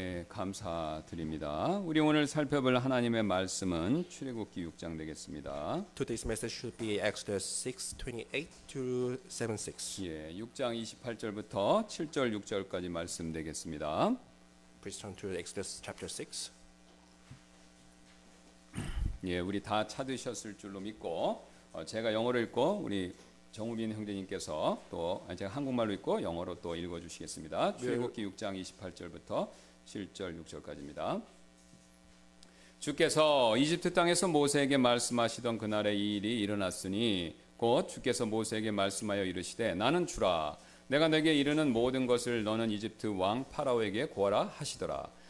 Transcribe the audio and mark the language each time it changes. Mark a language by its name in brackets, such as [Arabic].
[Korean] 감사드립니다. 우리 오늘 살펴볼 하나님의 말씀은 출애굽기 6장 되겠습니다. [English] Today's message should be Exodus 6:28-76. [Korean] 예, 6장 28절부터 7절 6절까지 말씀 되겠습니다. [English] Please turn to Exodus chapter 6. [Korean] 예, 우리 다 찾으셨을 줄로 믿고 제가 영어로 읽고 우리 정우빈 형제님께서 또 제가 한국말로 읽고 영어로 또 읽어 주시겠습니다. 출애굽기 6장 28절부터 7절 6절까지입니다. 주께서 이집트 땅에서 모세에게 말씀하시던 그날에 이 일이 일어났으니 곧 주께서 모세에게 말씀하여 이르시되 나는 주라 내가 내게 이르는 모든 것을 너는 이집트 왕 파라오에게 구하라 하시더라.